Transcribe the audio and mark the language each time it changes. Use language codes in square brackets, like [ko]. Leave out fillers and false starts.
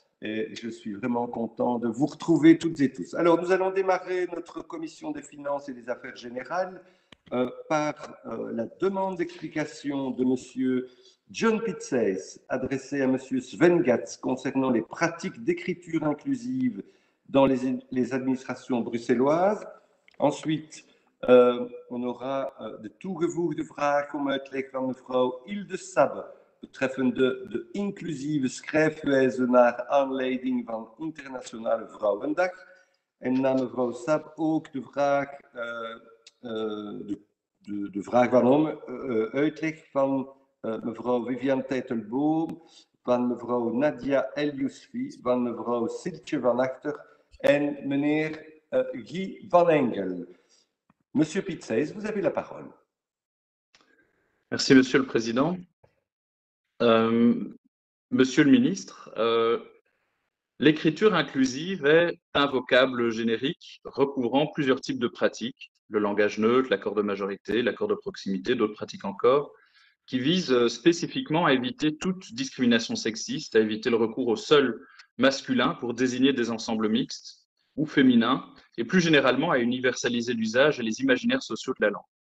[fr] Et je suis vraiment content de vous retrouver toutes et tous. Alors, nous allons démarrer notre commission des finances et des affaires générales par la demande d'explication de Monsieur John Pitsès adressée à Monsieur Sven Gatz concernant les pratiques d'écriture inclusive dans les administrations bruxelloises. Ensuite, on aura de [nl] Toegevoegde Vraag om uitleg van mevrouw Hilde Sabbe, betreffende de inclusieve schrijfwijze naar aanleiding van Internationale Vrouwendag. En na mevrouw Sabbe ook de vraag waarom uitleg van mevrouw Viviane Teitelboom, van mevrouw Nadia El-Yousfi, van mevrouw Siltje van Achter. [fr] Et Monsieur Guy Van Engel. Monsieur Pitsès, vous avez la parole. Merci, Monsieur le Président. Monsieur le Ministre, l'écriture inclusive est un vocable générique recouvrant plusieurs types de pratiques, le langage neutre, l'accord de majorité, l'accord de proximité, d'autres pratiques encore, qui visent spécifiquement à éviter toute discrimination sexiste, à éviter le recours au seul masculin pour désigner des ensembles mixtes ou féminins, et plus généralement à universaliser l'usage et les imaginaires sociaux de la langue.